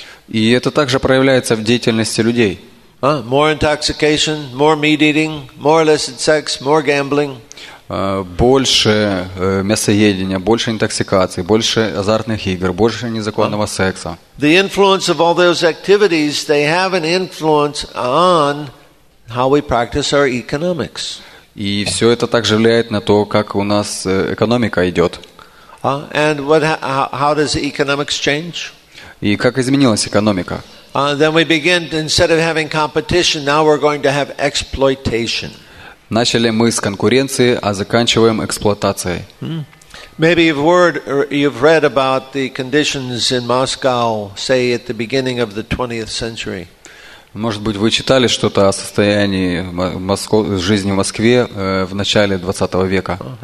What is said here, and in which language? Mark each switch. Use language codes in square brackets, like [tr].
[ru] И это также проявляется в деятельности людей. [en] More intoxication, more meat eating, more illicit sex, more gambling. [ru] больше мясоедения, больше интоксикации, больше азартных игр, больше незаконного секса. [en] The influence of all those activities, they have an influence on how we practice our economics. [ru] И все это также влияет на то, как у нас экономика идет. [en] And what, how does economics change? [ru] И как изменилась экономика? [en] Then we begin, instead of having competition, now we're going to have exploitation. [ru] Начали мы с конкуренции, а заканчиваем эксплуатацией. [en] Maybe you've read about the conditions in Moscow, say, at the beginning of the 20th century. [ru] Может быть, вы читали что-то о состоянии жизни в Москве в начале 20 века?